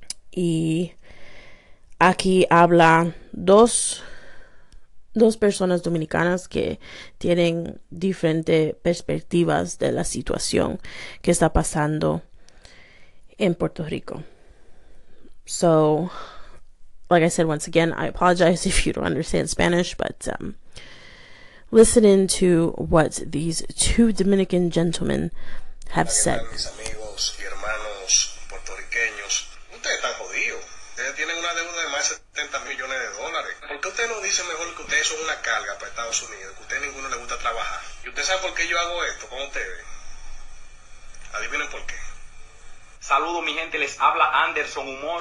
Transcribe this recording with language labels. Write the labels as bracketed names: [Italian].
[Spanish] Y aquí habla dos personas dominicanas que tienen diferentes perspectivas de la situación que está pasando en Puerto Rico. [English] So, like I said, once again, I apologize if you don't understand Spanish, but listen in to what these two Dominican gentlemen have [Spanish] ¿Qué tal, [English] said. [Spanish] mis amigos y hermanos puertorriqueños? Ustedes están jodidos. Ustedes tienen una deuda de más de 70 millones de dólares. ¿Por qué usted no dice mejor que ustedes son una carga para Estados Unidos, que a usted ninguno le gusta trabajar? ¿Y usted sabe por qué yo hago esto con ustedes? Adivinen por qué. Saludos, mi gente, les habla Anderson Humor.